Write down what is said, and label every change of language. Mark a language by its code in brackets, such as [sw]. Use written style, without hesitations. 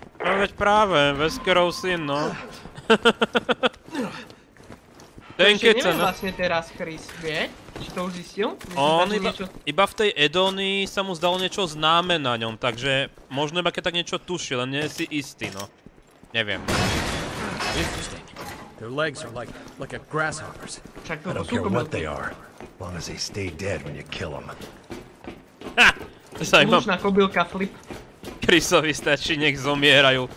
[sk] No veď práve, Veskerov syn, no. Ten keď sa... Ešte neviem vlastne teraz, Chris, vie? Či to už zistil? On iba v tej Edónii sa mu zdalo niečo známe na ňom, takže možno iba keď tak niečo tuší, len nie si istý, no. Neviem. [en] Their legs are like a grasshopper's. I don't care what they are, as long as they stay dead when you kill them. [sk] Ha! Saj, mám... Lúčna kobylka, flip. Chrisovi stačí, nech zomierajú.